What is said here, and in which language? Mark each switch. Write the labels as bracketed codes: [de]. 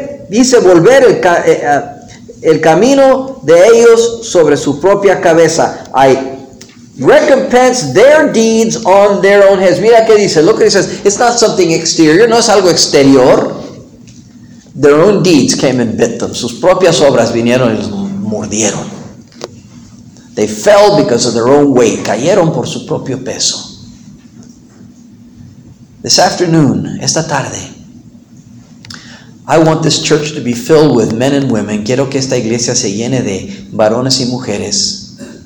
[es] Hice volver el camino de ellos sobre su propia cabeza. [en] I recompense their deeds on their own heads. [es] Mira qué dice, lo que dice, [en] it's not something exterior, [es] no es algo exterior. [en] Their own deeds came and bit them. [es] Sus propias obras vinieron y los mordieron. [en] They fell because of their own weight. [es] Cayeron por su propio peso. [en] This afternoon, [es] esta tarde, [en] I want this church to be filled with men and women. [es] Quiero que esta iglesia se llene de varones y mujeres.